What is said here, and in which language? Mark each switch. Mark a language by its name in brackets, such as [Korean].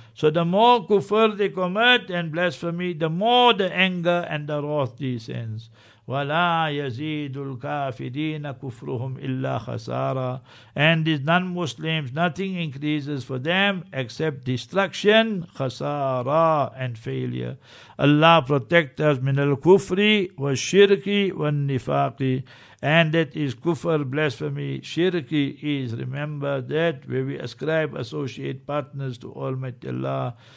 [English] So the more kufr they commit and blasphemy, the more the anger and the wrath descends. [Arabic] وَلَا يَزِيدُ الْكَافِرِينَ كُفْرُهُمْ إِلَّا خَسَارًا. [English] And these non-Muslims, nothing increases for them except destruction, khasara, and failure. Allah protect us [Arabic] مِنَ الْكُفْرِ وَالشِّرْكِ وَالنِّفَاقِ. [English] And that is kufr, blasphemy. Shirki is, remember that, where we ascribe associate partners to Almighty Allah.